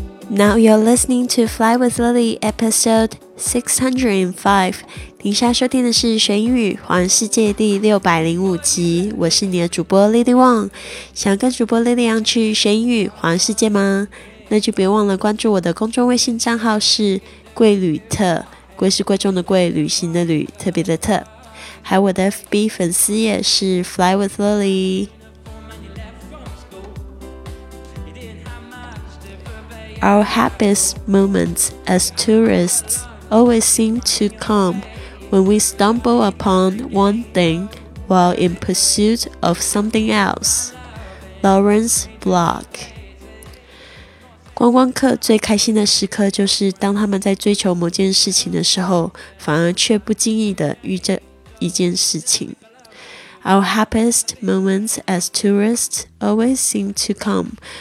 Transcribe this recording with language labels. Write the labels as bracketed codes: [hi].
[en] Now you're listening to Fly with Lily, episode 605. [zh] 您现在收听的是学英语环世界第605集。我是你的主播 Lily Wang。想跟主播 Lily Wang 去学英语环世界吗？那就别忘了关注我的公众微信账号是贵旅特，贵是贵重的贵，旅行的旅，特别的特。还有我的 FB 粉丝也是 Fly with Lily。 [en] Our happiest moments as tourists always seem to come when we stumble upon one thing while in pursuit of something else. Lawrence Block. [zh] 观光客最开心的时刻就是当他们在追求某件事情的时候，反而却不经意地遇着一件事情。 [en] Our happiest moments as tourists always seem to come.